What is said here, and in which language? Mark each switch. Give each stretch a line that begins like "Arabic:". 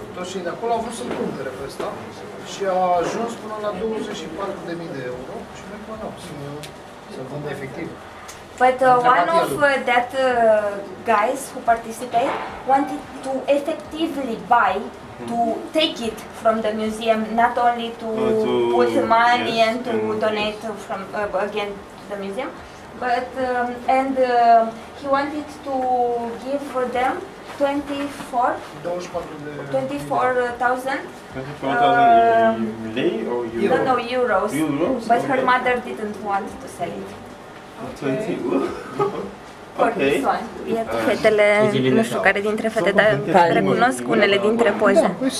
Romanian: și de acolo au vrut să-l cumpere pe ăsta și a ajuns până la 24.000 de euro și nu-i plăneau să vândă efectiv.
English: But one of that guys who participate wanted to effectively buy, to take it from the museum, not only to put money and to donate from again to the museum, but and he wanted to give for them 24,000 lei or euros? No, euros. But her mother didn't want to sell it. Okay.
Romanian: Iată fetele, nu știu care dintre fete, dar recunosc unele dintre poze.